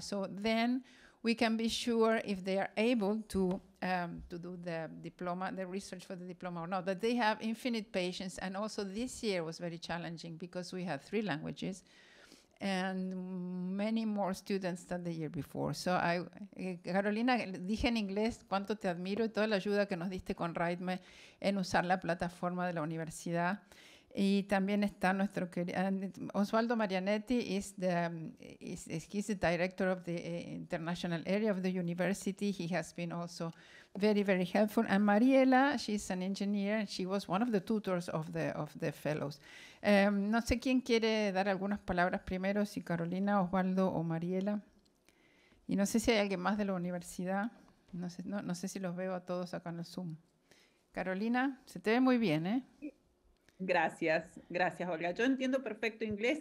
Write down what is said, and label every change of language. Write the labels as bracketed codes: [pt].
[en] So then we can be sure if they are able to do the diploma, the research for the diploma or not. But they have infinite patience. And also this year was very challenging because we had 3 languages and many more students than the year before. [es] So I, Carolina, dije en inglés cuánto te admiro y toda la ayuda que nos diste con Raidme en usar la plataforma de la universidad. Y también está nuestro querido [en] Osvaldo Marianetti he's the director of the international area of the university. He has been also very, very helpful. And Mariela, she's an engineer. She was one of the tutors of the fellows. [es] No sé quién quiere dar algunas palabras primero, si Carolina, Osvaldo o Mariela. Y no sé si hay alguien más de la universidad. No sé si los veo a todos acá en el Zoom. Carolina, se te ve muy bien, ¿eh? Gracias, Olga. Yo entiendo perfecto inglés.